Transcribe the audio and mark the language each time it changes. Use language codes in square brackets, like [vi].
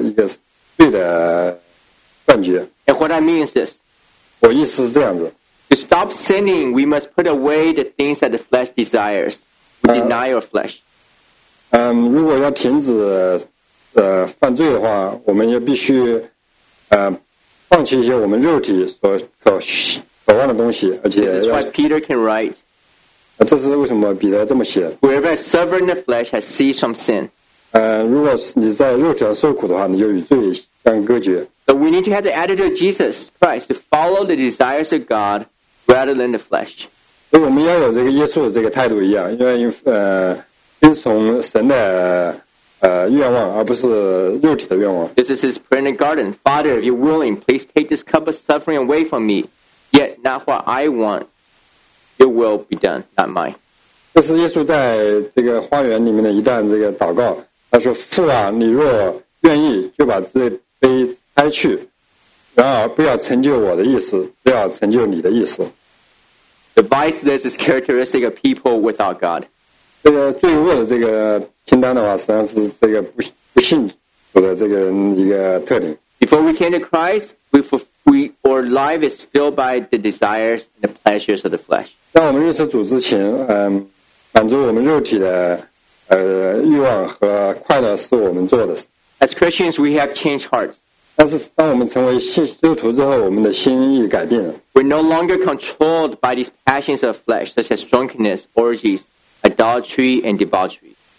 [zh] 但是这个为肉体的受苦是仍然是一个罪的断绝。 [en] And what I mean is this. [zh] 我意思是这样子。 [en] To stop sinning, we must put away the things that the flesh desires. We deny our flesh. [zh] 如果要停止犯罪的话，我们也必须放弃一些我们肉体所渴望的东西，而且要。 [en] This is why Peter can write. [zh] 这是为什么彼得这么写 [en] Whoever suffers in the flesh has ceased from sin. [zh] 如果你在肉体上受苦的话，你就与罪相隔绝。 [en] So we need to have the attitude of Jesus Christ to follow the desires of God rather than the flesh. [zh] 所以我们要有这个耶稣的这个态度一样，因为听从神的愿望，而不是肉体的愿望。 [en] This is his prayer in the garden. Father, if you're willing, please take this cup of suffering away from me. Yet not what I want. It will be done, not mine. [zh] 这是耶稣在这个花园里面的一段这个祷告。他说：“父啊，你若愿意，就把这杯拆去。然而，不要成就我的意思，只要成就你的意思。” [en] The viceless is characteristic of people without God. [zh] 这个罪恶的这个清单的话，实际上是这个不信主的这个人一个特点。 [en] Before we came to Christ, our life is filled by the desires and the pleasures of the flesh. [zh] 在我们认识主之前，满足我们肉体的欲望和快乐是我们做的。 [en] As Christians, we have changed hearts. [zh] 但是当我们成为信基督徒之后，我们的心意改变了。 [en] We're no longer controlled by these passions of flesh, such as drunkenness, orgies, adultery, and debauchery.